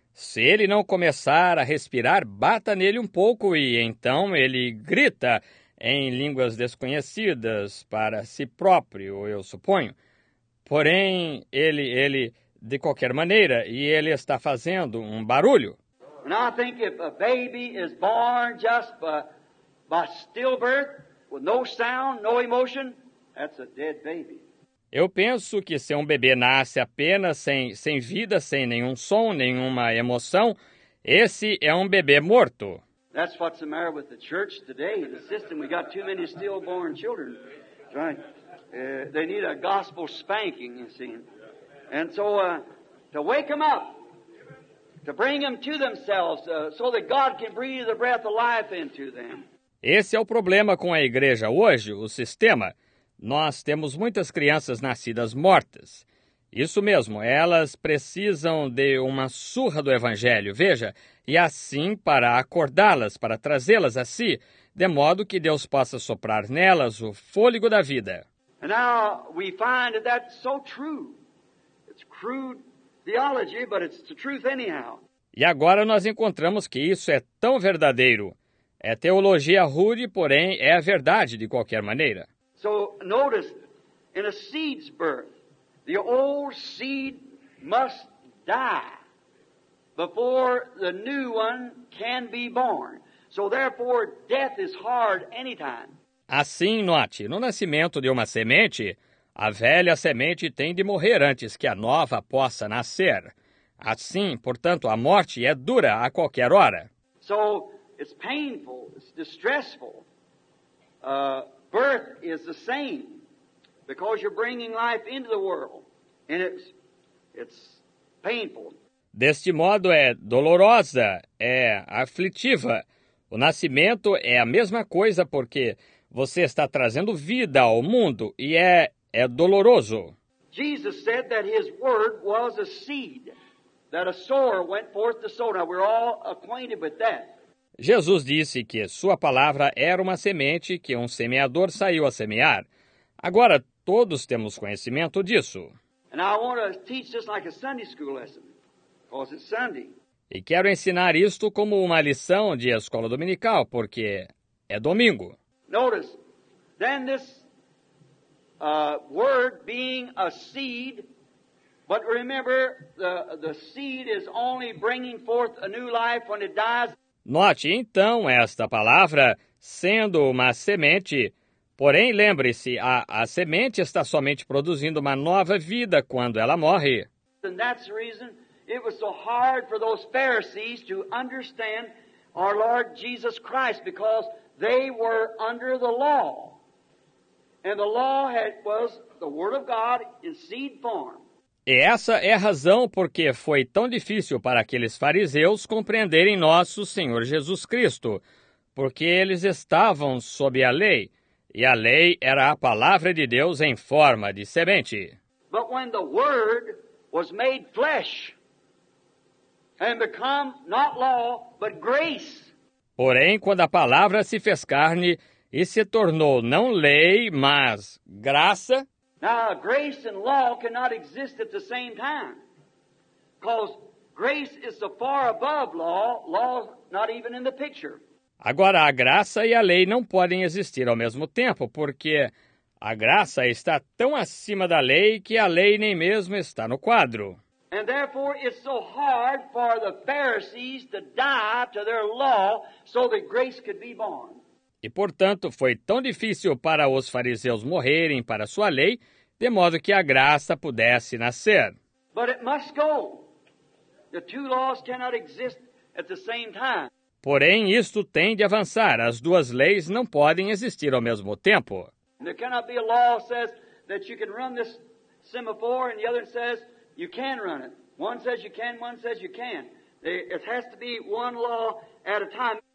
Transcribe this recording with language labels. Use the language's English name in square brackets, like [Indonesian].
[Portuguese] Se ele não começar a respirar, bata nele pouco e então ele grita em línguas desconhecidas para si próprio, eu suponho. Porém, ele de qualquer maneira, e ele está fazendo barulho. [English] And I think if a baby is born just by stillbirth, with no sound, no emotion, that's a dead baby. [Portuguese] Eu penso que se um bebê nasce apenas sem vida, sem nenhum som, nenhuma emoção, esse é um bebê morto. [English] That's what's the matter with the church today, the system. We got too many stillborn children. Right. They need a gospel spanking, you see. And so to wake them up, to bring them to themselves, so that God can breathe the breath of life into them. [Portuguese] Esse é o problema com a igreja hoje, o sistema. Nós temos muitas crianças nascidas mortas. Isso mesmo, elas precisam de uma surra do Evangelho, veja, e assim para acordá-las, para trazê-las a si, de modo que Deus possa soprar nelas o fôlego da vida. E agora nós encontramos que isso é tão verdade. É uma crude teologia, mas é a verdade. E agora nós encontramos que isso é tão verdadeiro. É teologia rude, porém é a verdade de qualquer maneira. [English] So notice, in a seed's birth, the old seed must die before the new one can be born. So therefore, death is hard anytime. [Portuguese] Assim, note, no nascimento de uma semente, a velha semente tem de morrer antes que a nova possa nascer. Assim, portanto, a morte é dura a qualquer hora. [English] So it's painful, it's distressful, birth is the same, because you're bringing life into the world, and it's painful. [Portuguese] Deste modo é dolorosa, é aflitiva. O nascimento é a mesma coisa, porque você está trazendo vida ao mundo e é doloroso. [English] Jesus said that his word was a seed, that a sower went forth to sow. Now we're all acquainted with that. [Portuguese] Jesus disse que sua palavra era uma semente que um semeador saiu a semear. Agora todos temos conhecimento disso. [English] And I want to teach this like a Sunday school lesson, because it's Sunday. [Portuguese] E quero ensinar isto como uma lição de escola dominical, porque é domingo. [English] Notice, then this word being a seed, but remember, the seed is only bringing forth a new life when it dies. [Portuguese] Note, então, esta palavra sendo uma semente, porém, lembre-se, a semente está somente produzindo uma nova vida quando ela morre. [English] And that's the reason. It was so hard for those Pharisees to understand our Lord Jesus Christ, because they were under the law. And the law was the Word of God in seed form. [Portuguese] E essa é a razão porque foi tão difícil para aqueles fariseus compreenderem nosso Senhor Jesus Cristo, porque eles estavam sob a lei, e a lei era a palavra de Deus em forma de semente. [English] But when the Word was made flesh, and become not law, but grace. [Portuguese] Porém, quando a palavra se fez carne e se tornou não lei, mas graça. [English] Now, grace and law cannot exist at the same time. Because grace is so far above law, law not even in the picture. [Portuguese] Agora, a graça e a lei não podem existir ao mesmo tempo, porque a graça está tão acima da lei que a lei nem mesmo está no quadro. [English] And therefore it's so hard for the Pharisees to die to their law so that grace could be born. [Portuguese] E portanto foi tão difícil para os fariseus morrerem para sua lei, de modo que a graça pudesse nascer. [English] But it must go. The two laws cannot exist at the same time. [Portuguese] Porém isto tem de avançar, as duas leis não podem existir ao mesmo tempo. [English] And there cannot be a law that says that you can run this semaphore and the other says you can run it. One says you can, one says you can. It has to be one law at a time.